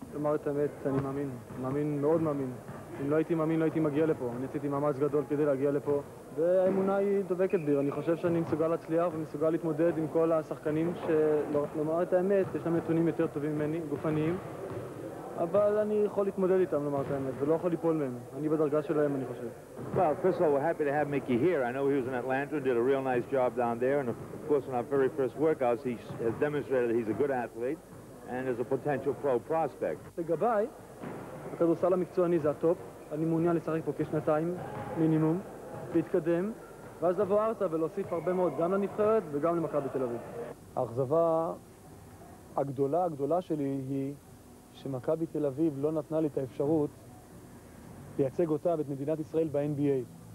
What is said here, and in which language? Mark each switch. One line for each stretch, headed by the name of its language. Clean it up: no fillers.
Hebrew: לומר את האמת, אני מאמין, מאמין, מאוד מאמין. אם לא הייתי מאמין, לא הייתי מגיע לפה. אני עשיתי מאמץ גדול כדי להגיע לפה, והאמונה היא דובקת בי. אני חושב שאני מסוגל להצליח ומסוגל להתמודד עם כל השחקנים שלומר את האמת, יש להם נתונים יותר טובים ממני, גופניים, אבל אני יכול להתמודד איתם, לומר את האמת, ולא יכול ליפול מהם. אני בדרגה שלהם, אני חושב.
English: Well, first of all, we're happy to have Mickey here. I know he was in Atlanta and did a real nice job down there, and of course, in our very first workouts, he has demonstrated he's a good athlete and is a potential pro prospect.
Hebrew: לגביי, הכדורסל המקצועני זה הטופ. אני מעוניין לשחק פה כשנתיים מינימום, להתקדם, ואז לבוא ארצה ולהוסיף הרבה מאוד גם לנבחרת וגם למכבי תל אביב. האכזבה הגדולה שלי היא שמכבי תל אביב לא נתנה לי את האפשרות לייצג אותה ואת מדינת ישראל ב-NBA.